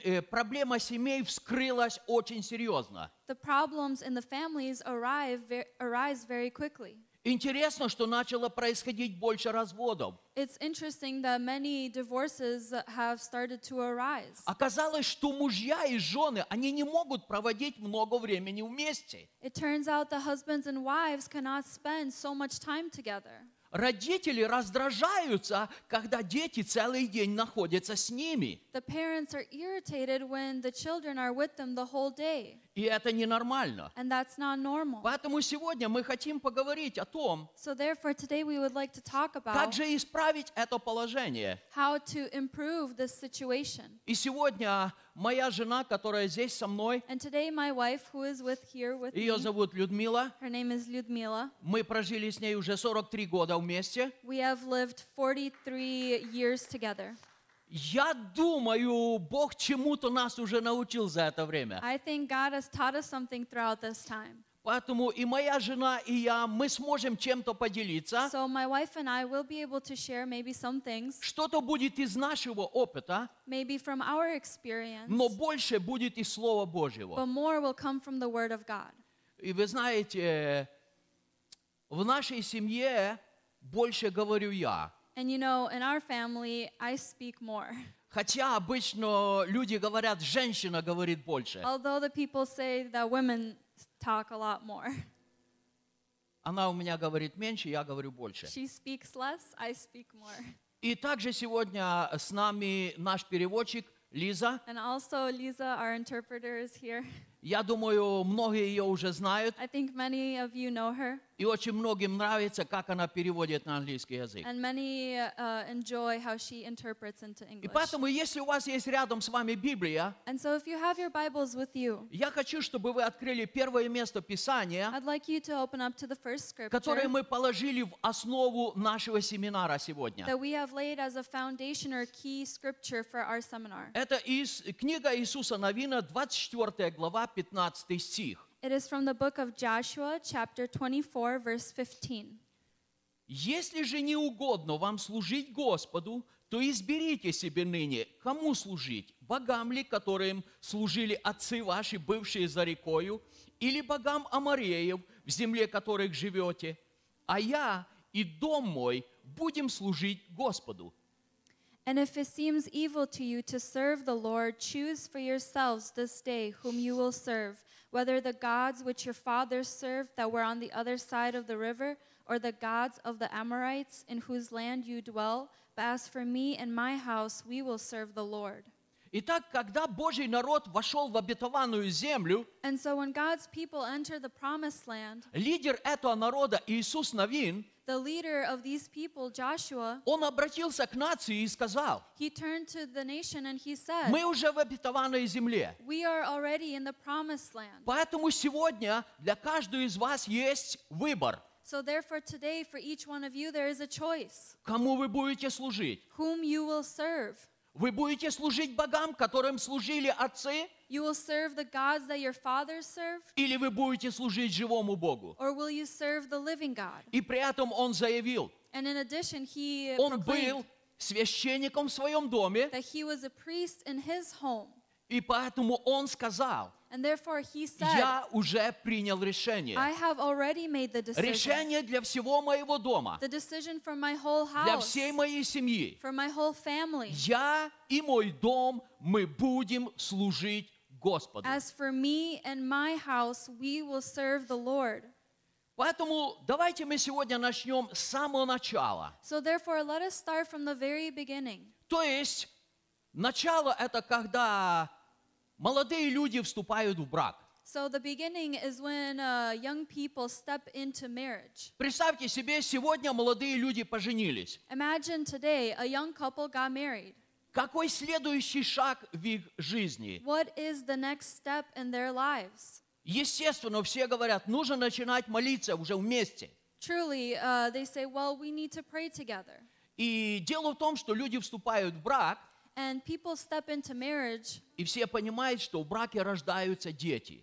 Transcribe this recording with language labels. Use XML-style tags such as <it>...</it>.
<ru>Проблема семей вскрылась очень серьезно.</ru> <en>The problems in the families arise very quickly.</en> <ru>Интересно, что начало происходить больше разводов.</ru> <en>It's interesting that many divorces have started to arise.</en> <ru>Оказалось, что мужья и жены, они не могут проводить много времени вместе.</ru> <en>It turns out that husbands and wives cannot spend so much time together.</en> <ru>Родители раздражаются, когда дети целый день находятся с ними.</ru> <en>The parents are irritated when the children are with them the whole day.</en> <ru>И это ненормально.</ru> <en>And that's not normal.</en> <ru>Поэтому сегодня мы хотим поговорить о том,</ru> <en>So therefore today we would like to talk about</en> <ru>как же исправить это положение.</ru> <en>How to improve this situation.</en> <ru>И сегодня моя жена, которая здесь со мной,</ru> <en>And today my wife who is with here with</en> <ru>ее зовут Людмила.</ru> <en>Her name is Людмила.</en> <ru>Мы прожили с ней уже 43 года вместе.</ru> <en>We have lived 43 years together.</en> <ru>Я думаю, Бог чему-то нас уже научил за это время.</ru> <en>I think God has taught us something throughout this time.</en> <ru>Поэтому и моя жена, и я, мы сможем чем-то поделиться.</ru> <en>So my wife and I will be able to share maybe some things.</en> <ru>Что-то будет из нашего опыта.</ru> <en>Maybe from our experience.</en> <ru>Но больше будет из Слова Божьего.</ru> <en>But more will come from the Word of God.</en> <ru>И вы знаете, в нашей семье больше говорю я.</ru> <en>And you know, in our family, I speak more.</en> <ru>Хотя обычно люди говорят, женщина говорит больше.</ru> <en>Although the people say that women talk a lot more.</en> <ru>Она у меня говорит меньше, я говорю больше.</ru> <en>She speaks less, I speak more.</en> <ru>И также сегодня с нами наш переводчик Лиза.</ru> <en>And also Lisa, our interpreter, is here.</en> <ru>Я думаю, многие ее уже знают.</ru> <en>I think many of you know her.</en> <ru>И очень многим нравится, как она переводит на английский язык.</ru> <en>And many enjoy how she interprets into English.</en> <ru>И поэтому, если у вас есть рядом с вами Библия,</ru> <en>and so if you have your Bibles with you,</en> <ru>я хочу, чтобы вы открыли первое место Писания,</ru> <en>I'd like you to open up to the first scripture,</en> <ru>которое мы положили в основу нашего семинара сегодня.</ru> <en>That we have laid as a foundation or key scripture for our seminar.</en> <ru>Это из книга Иисуса Навина, 24 глава, 15 стих.</ru> <en>It is from the book of Joshua, chapter 24, verse 15.</en> <ru>Если же не угодно вам служить Господу, то изберите себе ныне, кому служить, богам ли, которым служили отцы ваши, бывшие за рекою, или богам амореев, в земле которых живете, а я и дом мой будем служить Господу.</ru> <en>And if it seems evil to you to serve the Lord, choose for yourselves this day whom you will serve, whether the gods which your fathers served that were on the other side of the river, or the gods of the Amorites in whose land you dwell. But as for me and my house, we will serve the Lord.</en> <ru>Итак, когда Божий народ вошел в обетованную землю,</ru> <en>and so when God's people enter the promised land,</en> <ru>лидер этого народа Иисус Навин,</ru> <en>the leader of these people, Joshua,</en> <ru>он обратился к нации и сказал,</ru> <en>he turned to the nation and he said,</en> <ru>мы уже в обетованной земле.</ru> <en>We are already in the promised land.</en> <ru>Поэтому сегодня для каждого из вас есть выбор.</ru> <en>So therefore today for each one of you there is a choice.</en> <ru>Кому вы будете служить?</ru> <en>Whom you will serve.</en> <ru>Вы будете служить богам, которым служили отцы?</ru> <en>You will serve the gods that your fathers served?</en> <ru>Или вы будете служить живому Богу?</ru> <en>Or will you serve the living God?</en> <ru>И при этом он заявил,</ru> <en>and in addition, he</en> <ru>он был священником в своем доме,</ru> <en>that he was a priest in his home.</en> <ru>И поэтому он сказал,</ru> <en>and therefore he said,</en> <ru>я уже принял решение.</ru> <en>I have already made the decision.</en> <ru>Решение для всего моего дома.</ru> <en>The decision for my whole house.</en> <ru>Для всей моей семьи.</ru> <en>For my whole family.</en> <ru>Я и мой дом, мы будем служить Господу.</ru> <en>As for me and my house, we will serve the Lord.</en> <ru>Поэтому давайте мы сегодня начнем с самого начала.</ru> <en>So therefore, let us start from the very beginning.</en> <ru>То есть, начало это когда молодые люди вступают в брак.</ru> <en>So the beginning is when young people step into marriage.</en> <ru>Представьте себе, сегодня молодые люди поженились.</ru> <en>Imagine today a young couple got married.</en> <ru>Какой следующий шаг в их жизни?</ru> <en>What is the next step in their lives?</en> <ru>Естественно, все говорят, нужно начинать молиться уже вместе.</ru> <en>Truly, they say, well, we need to pray together.</en> <ru>И дело в том, что люди вступают в брак,</ru> <en>and people step into marriage,</en> <ru>и все понимают, что в браке рождаются дети.</ru>